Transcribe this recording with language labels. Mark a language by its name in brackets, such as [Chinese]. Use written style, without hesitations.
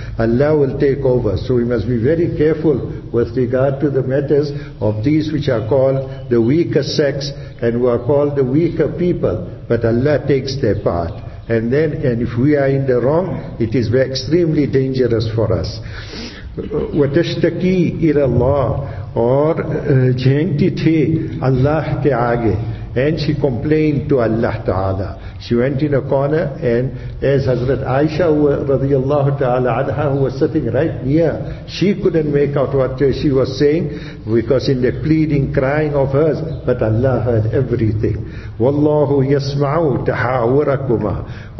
[English] Allah will take over. So we must be very careful with regard to the matters of these which are called the weaker sex and who are called the weaker people. But Allah takes their part. And then, and if we are in the wrong, it is extremely dangerous for us. [Arabic] وَتَشْتَكِي إِلَى اللَّهِ [Urdu] Or, جھینگتی تھی اللہ کے آگے. [English] And she complained to Allah Ta'ala. She went in a corner, and as Hazrat Aisha radiallahu ta'ala anha, who was sitting right near, she couldn't make out what she was saying, because in the pleading, crying of hers, but Allah heard everything. [Arabic] Wallahu yasma'u tahawurakuma.